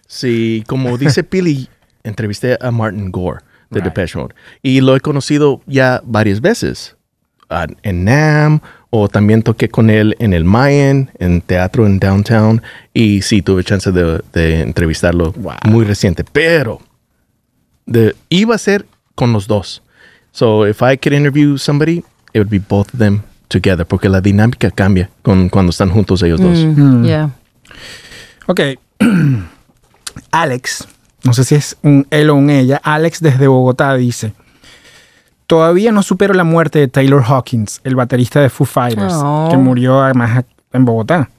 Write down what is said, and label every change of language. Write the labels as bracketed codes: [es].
[es] Sí, como dice Pili, entrevisté a Martin Gore de Depeche Mode, y lo he conocido ya varias veces en NAMM. O también toqué con él en el Mayan, en teatro en Downtown. Y sí, tuve chance de entrevistarlo muy reciente. Pero iba a ser con los dos. [en] So, if I could interview somebody, it would be both of them together. [es] Porque la dinámica cambia cuando están juntos ellos dos. [en] Mm-hmm. Yeah. Ok. [es] Alex, no sé si es un él o un ella. Alex desde Bogotá dice... Todavía no supero la muerte de Taylor Hawkins, el baterista de Foo Fighters, que murió además en Bogotá.